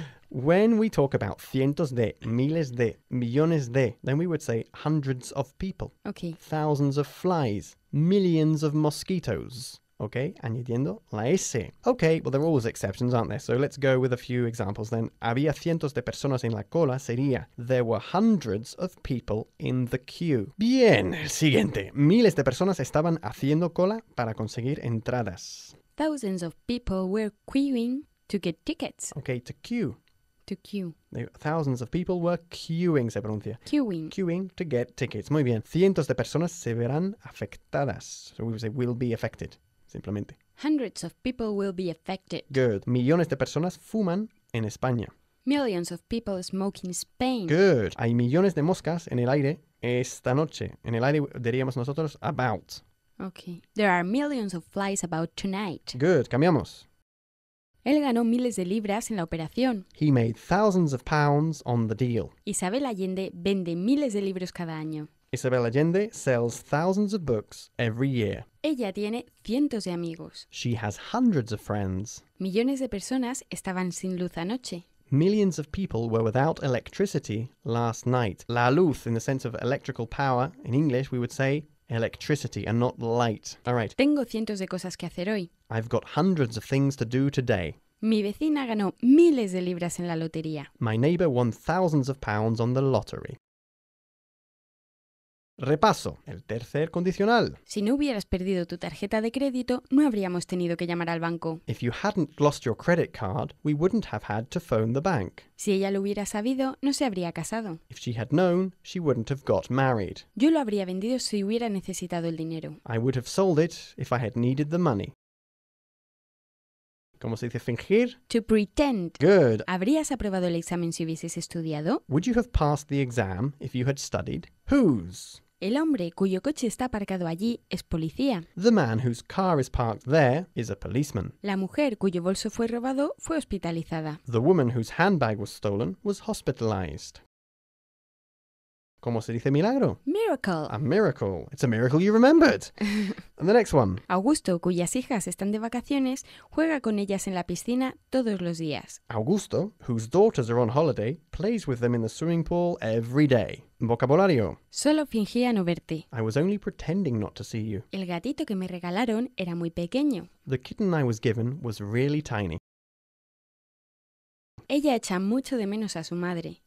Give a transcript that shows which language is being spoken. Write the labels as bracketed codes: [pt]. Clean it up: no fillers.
[en] When we talk about [es] cientos de, miles de, millones de, [en] then we would say hundreds of people. Okay. Thousands of flies, millions of mosquitoes. [es] Okay, añadiendo la S. [en] Okay, well, there are always exceptions, aren't there? So let's go with a few examples then. [es] Había cientos de personas en la cola, sería. [en] There were hundreds of people in the queue. [es] Bien, siguiente. Miles de personas estaban haciendo cola para conseguir entradas. [en] Thousands of people were queuing to get tickets. Okay, to queue. To queue. Thousands of people were queuing, [es] se pronuncia. [en] Queuing. Queuing to get tickets. [es] Muy bien. Cientos de personas se verán afectadas. [en] So we would say will be affected, simplemente. Hundreds of people will be affected. [es] Good. Millones de personas fuman en España. [en] Millions of people smoke in Spain. Good. [es] Hay millones de moscas en el aire esta noche. En el aire diríamos nosotros about. [en] Okay. There are millions of flies about tonight. [es] Good. Cambiamos. Él ganó miles de libras en la operación. [en] He made thousands of pounds on the deal. [es] Isabel Allende vende miles de libros cada año. [en] Isabel Allende sells thousands of books every year. [es] Ella tiene cientos de amigos. [en] She has hundreds of friends. [es] Millones de personas estaban sin luz anoche. [en] Millions of people were without electricity last night. La luz, in the sense of electrical power, in English we would say electricity and not light. All right. [es] Tengo cientos de cosas que hacer hoy. [en] I've got hundreds of things to do today. [es] Mi vecina ganó miles de libras en la lotería. [en] My neighbor won thousands of pounds on the lottery. [es] Repaso, el tercer condicional. Si no hubieras perdido tu tarjeta de crédito, no habríamos tenido que llamar al banco. [en] If you hadn't lost your credit card, we wouldn't have had to phone the bank. [es] Si ella lo hubiera sabido, no se habría casado. [en] If she had known, she wouldn't have got married. [es] Yo lo habría vendido si hubiera necesitado el dinero. [en] I would have sold it if I had needed the money. [es] ¿Cómo se dice fingir? [en] To pretend. Good. [es] ¿Habrías aprobado el examen si hubieses estudiado? [en] Would you have passed the exam if you had studied? Whose? [es] El hombre cuyo coche está aparcado allí es policía. [en] The man whose car is parked there is a policeman. [es] La mujer cuyo bolso fue robado fue hospitalizada. [en] The woman whose handbag was stolen was hospitalized. [es] ¿Cómo se dice milagro? [en] Miracle. A miracle. It's a miracle you remembered. And the next one. [es] Augusto, cuyas hijas están de vacaciones, juega con ellas en la piscina todos los días. [en] Augusto, whose daughters are on holiday, plays with them in the swimming pool every day. [es] Vocabulario. Solo fingía no verte. [en] I was only pretending not to see you. [es] El gatito que me regalaron era muy pequeño. [en] The kitten I was given was really tiny. [es] Ella echa mucho de menos a su madre.